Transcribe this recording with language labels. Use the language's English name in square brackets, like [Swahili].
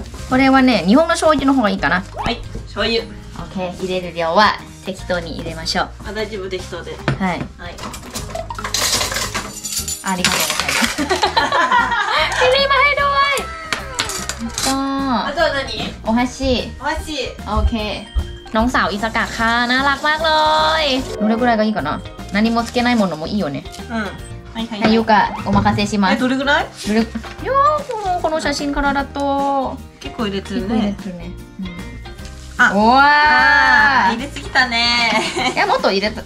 [Japanese] これはね、日本の醤油の方がいいかな。はい、醤油。オッケー、入れる量は適当に入れましょう。あ、大丈夫、適当で。はい。はい。ありがとうございます。切り前の前。えっと。あとは何？お箸。お箸。オッケー。 [Thai] น้องสาวอิซากะค่ะ、น่ารักมากเลย。 [Japanese] どれぐらいがいいかな？何もつけないものもいいよね。うん。はいはい。はい、ゆか、お任せします。え、どれぐらい？どれ？いやー、この写真からだと結構入れてるね。結構入れてるね。うん、あ、わー、入れすぎたねー。いや、もっと入れた。